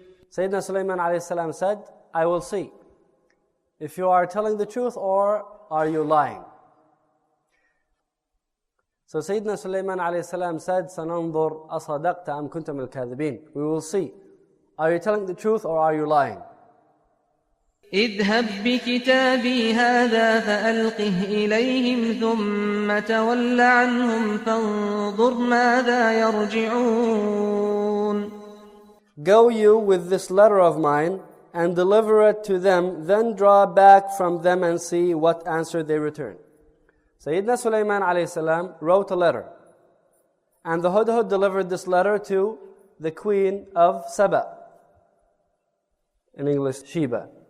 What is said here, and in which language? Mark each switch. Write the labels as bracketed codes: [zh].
[en] Sayyidina Sulaiman alayhi salam said, I will see if you are telling the truth or are you lying. So Sayyidina Sulaiman alayhi salam said, [ar] سَنَنْظُرُ أَصَدَقْتَ أَمْ كُنْتَ مِنَ الْكَاذِبِينَ [en] We will see. Are you telling the truth or are you lying? [ar] اذهب بكتابي هذا فألقه إليهم ثم تول عنهم فانظر ماذا يرجعون [en] Go you with this letter of mine and deliver it to them, then draw back from them and see what answer they return. Sayyidina Sulaiman alayhi salam wrote a letter. And the Hudhud delivered this letter to the queen of Saba. In English, Sheba.